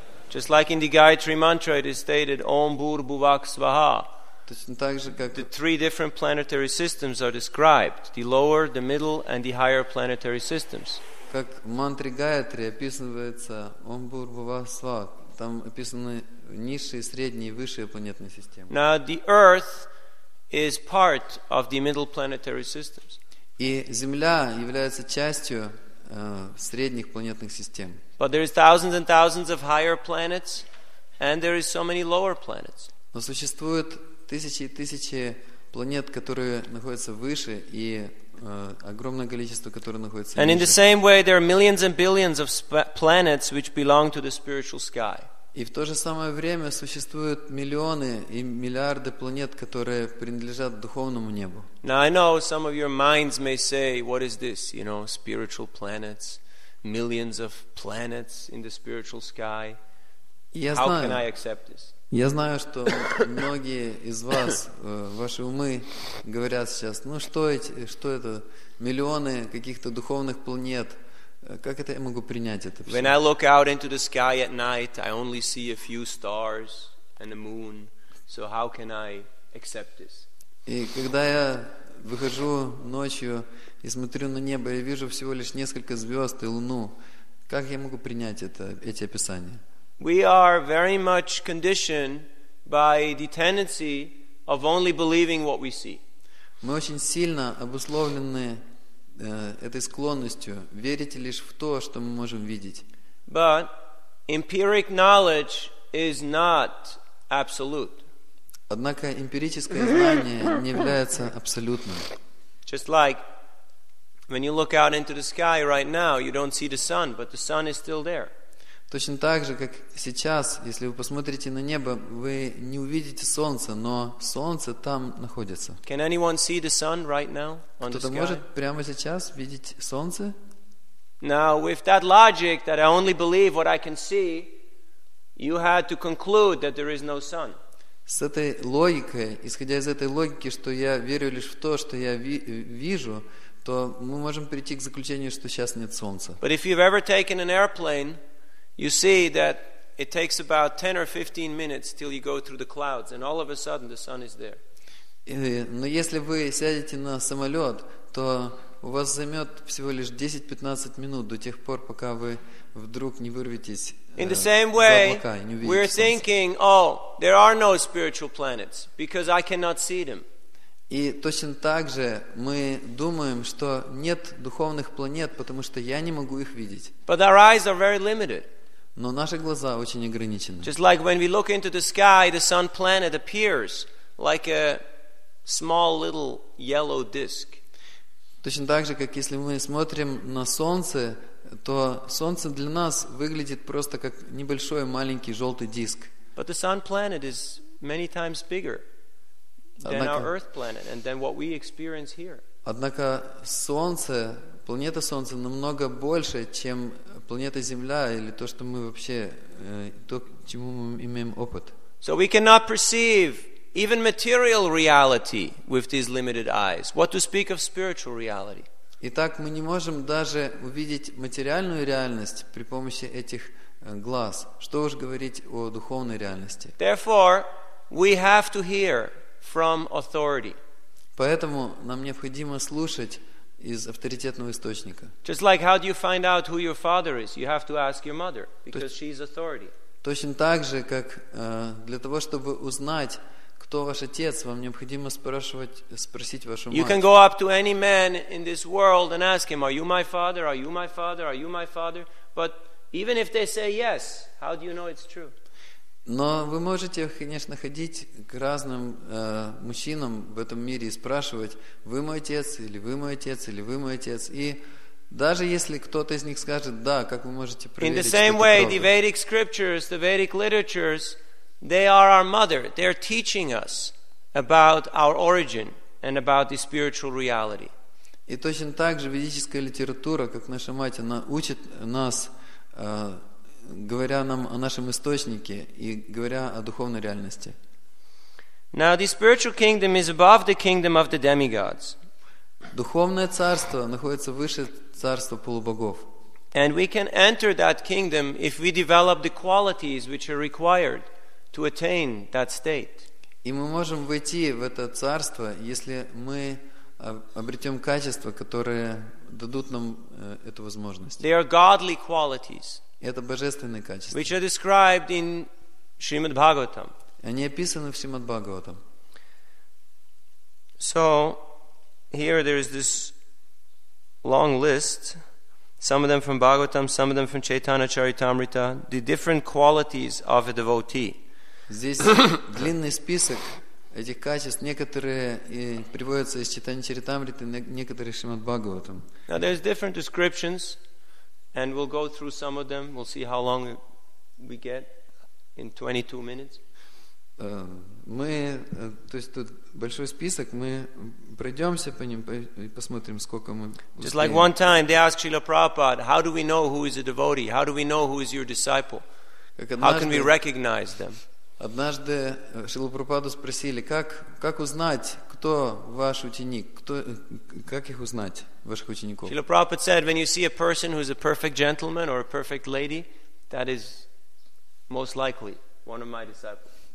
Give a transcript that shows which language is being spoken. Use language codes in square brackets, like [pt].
[en] Just like in the Gayatri Mantra, it is stated [sa] Om Bhur Bhuvah Svaha. [ru] Точно так же, как [en] the three different planetary systems are described: the lower, the middle, and the higher planetary systems. [ru] Как в мантре Гаятри описывается [sa] Om Bhur Bhuvah Svaha. [ru] Там описаны низшие, средние, высшие планетные системы. [en] Now the Earth is part of the middle planetary systems. [ru] И Земля является частью средних планетных систем. [en] But there is thousands and thousands of higher planets, and there is so many lower planets. [ru] Но существуют тысячи и тысячи планет, которые находятся выше, и огромное количество, которые находятся ниже. [en] And in the same way, there are millions and billions of planets which belong to the spiritual sky. [ru] И в то же самое время существуют миллионы и миллиарды планет, которые принадлежат духовному небу. [en] Now I know some of your minds may say, what is this? You know, spiritual planets, millions of planets in the spiritual sky. How can I accept this? [ru] Я знаю, что многие из вас, ваши умы, говорят сейчас, ну что это, миллионы каких-то духовных планет, как это я могу принять это все? [en] When I look out into the sky at night, I only see a few stars and a moon, so how can I accept this? [ru] И когда я выхожу ночью и смотрю на небо, я вижу всего лишь несколько звезд и луну, как я могу принять это, эти описания? [en] We are very much conditioned by the tendency of only believing what we see. [ru] Мы очень сильно обусловлены этой склонностью верить лишь в то, что мы можем видеть. [en] But empiric knowledge is not absolute. [ru] Однако эмпирическое знание не является абсолютным. [en] Just like when you look out into the sky right now, you don't see the sun, but the sun is still there. [ru] Точно так же, как сейчас, если вы посмотрите на небо, вы не увидите солнце, но солнце там находится. [en] Can anyone see the sun right now on the sky? [ru] Кто-то может прямо сейчас видеть солнце? [en] Now, with that logic that I only believe what I can see, you had to conclude that there is no sun. [ru] С этой логикой, исходя из этой логики, что я верю лишь в то, что я вижу, то мы можем прийти к заключению, что сейчас нет солнца. [en] But if you've ever taken an airplane, you see that it takes about 10 or 15 minutes till you go through the clouds, and all of a sudden the sun is there. [ru] Но если вы сядете на самолет, то у вас займет всего лишь 10-15 минут до тех пор, пока вы вдруг не вырветесь. [en] In the same way, we're thinking, oh, there are no spiritual planets because I cannot see them. [ru] И точно так же мы думаем, что нет духовных планет, потому что я не могу их видеть. [en] But our eyes are very limited. [ru] Но наши глаза очень ограничены. [en] Just like when we look into the sky, the sun planet appears like a small little yellow disk. [ru] Точно так же, как если мы смотрим на солнце, то солнце для нас выглядит просто как небольшой маленький желтый диск. [en] But the sun planet is many times bigger than our Earth planet and than what we experience here. [ru] Однако солнце, планета Солнца намного больше, чем планета Земля или то, что мы вообще, то, чему мы имеем опыт. [en] So we cannot perceive even material reality with these limited eyes. What to speak of spiritual reality? [ru] Итак, мы не можем даже увидеть материальную реальность при помощи этих глаз. Что уж говорить о духовной реальности? [en] Therefore, we have to hear from authority. [ru] Поэтому нам необходимо слушать из авторитетного источника. [en] Just like how do you find out who your father is? You have to ask your mother, because she is authority. [ru] Точно так же, как для того, чтобы узнать, кто ваш отец, вам необходимо спросить вашу мать. [en] You can go up to any man in this world and ask him, are you my father? Are you my father? Are you my father? But even if they say yes, how do you know it's true? [ru] Но вы можете, конечно, ходить к разным мужчинам в этом мире и спрашивать, вы мой отец, или вы мой отец, или вы мой отец. И даже если кто-то из них скажет да, как вы можете проверить? [en] In the same way, the Vedic scriptures, the Vedic literatures, they are our mother. They are teaching us about our origin and about the spiritual reality. [ru] И точно так же ведическая литература, как наша мать, она учит нас, говоря нам о нашем источнике и говоря о духовной реальности. [en] Now the spiritual kingdom is above the kingdom of the demigods. [ru] Духовное царство находится выше царства полубогов. [en] And we can enter that kingdom if we develop the qualities which are required to attain that state. [ru] И мы можем войти в это царство, если мы обретем качества, которые дадут нам эту возможность. [en] They are godly qualities. [ru] Это божественные качества. [en] Which are described in Shrimad Bhagavatam. [ru] Они описаны в Shrimad Bhagavatam. [en] So, here there is this long list, some of them from Bhagavatam, some of them from Chaitanya Charitamrita, the different qualities of a devotee. [ru] Здесь длинный список этих качеств, некоторые приводятся из Chaitanya Charitamrita, некоторые Shrimad Bhagavatam. [en] Now there's different descriptions. And we'll go through some of them. We'll see how long we get in 22 minutes. [ru] Мы, то есть тут большой список. Мы пройдемся по ним и посмотрим, сколько мы. [en] Just like one time, they asked Srila Prabhupada, "How do we know who is a devotee? How do we know who is your disciple? How can we recognize them?" [ru] Однажды Шрила Прабхупаду спросили, как узнать, кто ваш ученик, как их узнать, ваших учеников. [en] Шрила Прабхупад said, when you see a person who is a perfect gentleman or a perfect lady, that is most likely one of my disciples.